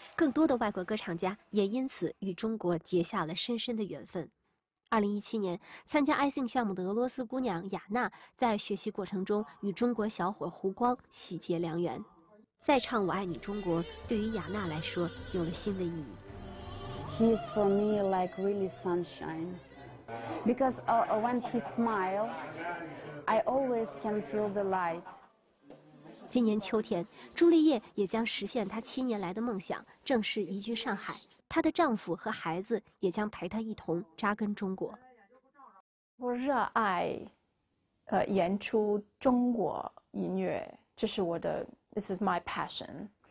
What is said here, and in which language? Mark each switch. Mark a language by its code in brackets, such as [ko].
[zh] 更多的外国歌唱家也因此与中国结下了深深的缘分。 2017年，参加 iSing 项目的俄罗斯姑娘雅娜在学习过程中与中国小伙胡光喜结良缘，再唱《我爱你中国》对于雅娜来说有了新的意义。 [en] He is for me like really sunshine, because when he smiles, I always can feel the light. [zh] 今年秋天，朱丽叶也将实现她7年来的梦想，正式移居上海。她的丈夫和孩子也将陪她一同扎根中国。我热爱，演出中国音乐，这是我的 ， [en] this is my passion。